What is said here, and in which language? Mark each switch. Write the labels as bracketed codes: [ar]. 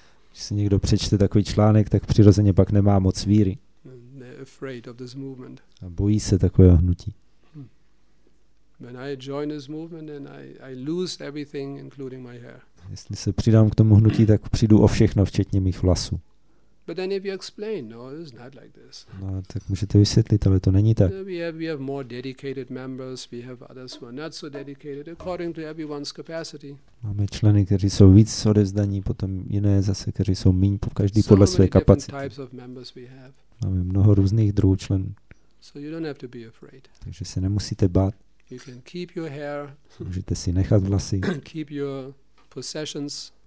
[cs] Když si někdo přečte takový článek, tak přirozeně pak nemá moc víry. [en] They're afraid of this movement. [cs] A bojí se takového hnutí. [en] When I join this movement, then I lose everything, including my hair. [cs] Jestli se přidám k tomu hnutí, tak přijdu o všechno, včetně mých vlasů. [en] But then if you explain, no, it's not like this. [cs] No, tak můžete vysvětlit, ale to není tak. [en] We have more dedicated members, we have others who are not so dedicated, according to everyone's capacity. [cs] Máme členy, kteří jsou víc odevzdaní, potom jiné zase, kteří jsou míň, každý so podle své kapacity. [en] Many types of members we have. [cs] Máme mnoho různých druhů členů. [en] So you don't have to be afraid. [cs] Takže se nemusíte bát. [en] You can keep your hair. [cs] Můžete si nechat vlasy. [en] Keep your possessions.